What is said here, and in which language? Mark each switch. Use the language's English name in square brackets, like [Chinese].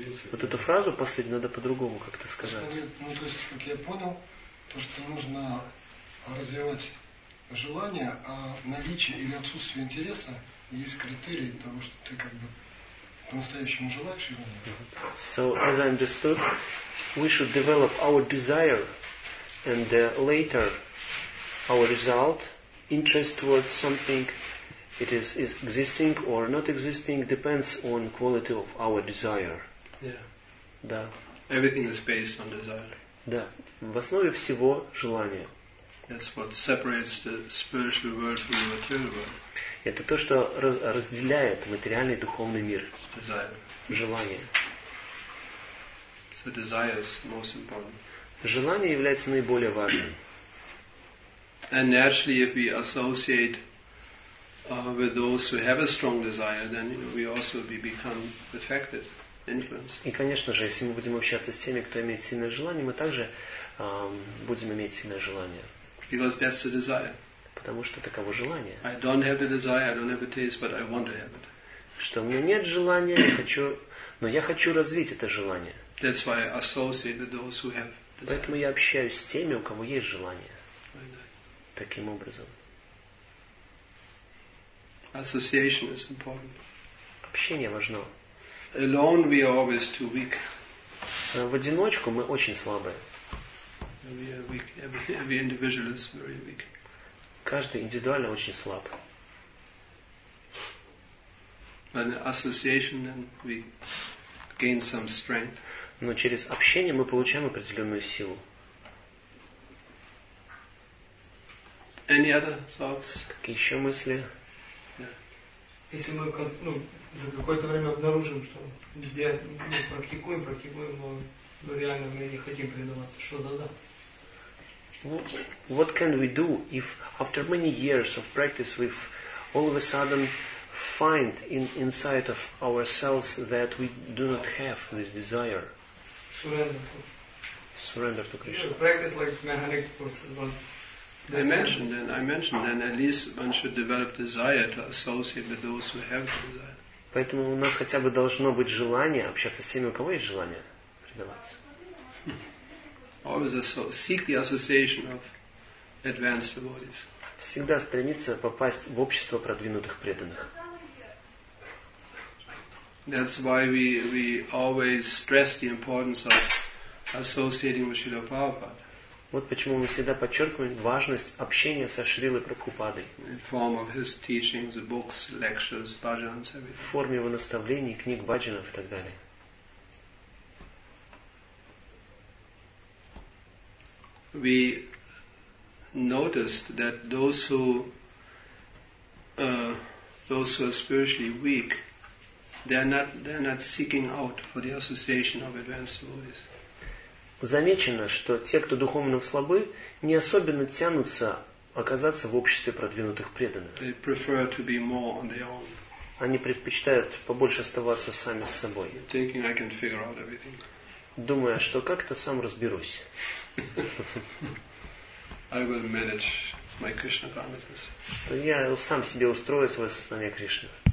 [Russian] Вот эту фразу последнюю надо по-другому как-то сказать. Ну, то есть, как я понял, то, что нужно развивать желание, а наличие или отсутствие интереса есть критерий того, что ты как бы по-настоящему желаешь его. [English] So, as I understood, we should develop our desire and later our result, interest towards something, it is existing or not existing, depends on quality of our desire. Yeah. [Russian] Да. [English] Everything is based on desire. [Russian] Да. В основе всего желание. [English] That's what separates the spiritual world from the material world. [Russian] Это то, что разделяет материальный и духовный мир. [English] Desire. [Russian] Желание. [English] So desire is most important. [Russian] Желание является наиболее важным. [English] And naturally, if we associate with those who have a strong desire, then we also become affected, influenced. [Russian] И, конечно же, если мы будем общаться с теми, кто имеет сильное желание, мы также будем иметь сильное желание. [English] Because that's the desire. [Russian] Потому что таково желание. [English] I don't have the desire, I don't have the taste, but I want to have it. [Russian] Что у меня нет желания, но я хочу развить это желание. [English] That's why I associate with those who have. [Russian] Поэтому я общаюсь с теми, у кого есть желание. Таким образом. [English] Association is important. [Russian] Общение важно. [English] Alone we are always too weak. [Russian] В одиночку мы очень слабые. [English] We are weak. Every individual is very weak. [Russian] Каждый индивидуально очень слаб. [English] And association then we gain some strength. [Russian] Но через общение мы получаем определенную силу. [English] Any other thoughts? [Russian] Какие еще мысли? [English] Yeah. [Russian] Если мы за какое-то время обнаружим, что где мы практикуем, но реально мы не хотим предаваться, что тогда? [English] What can we do if after many years of practice we've all of a sudden find inside of ourselves that we do not have this desire? Surrender to Krishna. Yeah, practice like mechanic course. I mentioned then at least one should develop desire to associate with those who have the desire. [Russian] Поэтому у нас хотя бы должно быть желание общаться с теми, у кого есть желание предаваться. [English] Always seek the association of advanced devotees. [Russian] Всегда стремиться попасть в общество продвинутых преданных. [English] That's why we always stress the importance of associating with Srila Prabhupada. [Russian] Вот почему мы всегда подчеркиваем важность общения со Шрилой Прабхупадой. [English] In form of his teachings, books, lectures, bhajans, everything. [Russian] В форме его наставлений, книг, бхаджанов и так далее. [English] We noticed that those who are spiritually weak, They're not seeking out for the association of advanced devotees. [Russian] Замечено, что те, кто духовно слабы, не особенно тянутся оказаться в обществе продвинутых преданных. [English] They prefer to be more on their own. [Russian] Они предпочитают побольше оставаться сами с собой. [English] Thinking I can figure out everything. [Russian] Думая, что как-то сам разберусь. [English] I will manage my Krishna consciousness. [Russian] То я сам себе устрою свое сознание Кришны.